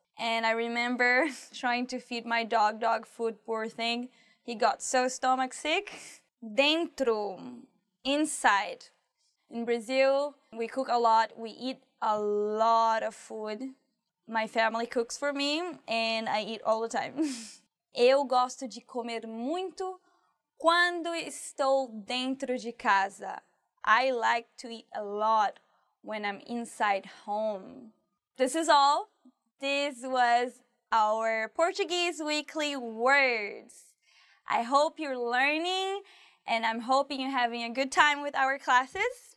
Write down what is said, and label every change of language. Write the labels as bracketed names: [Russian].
[English] And I remember trying to feed my dog food, poor thing. He got so stomach sick. Dentro, inside. In Brazil, we cook a lot. We eat a lot of food. My family cooks for me and I eat all the time. [Portuguese] Eu gosto de comer muito quando estou dentro de casa. [English] I like to eat a lot when I'm inside home. This is all. This was our Portuguese Weekly Words. I hope you're learning and I'm hoping you're having a good time with our classes.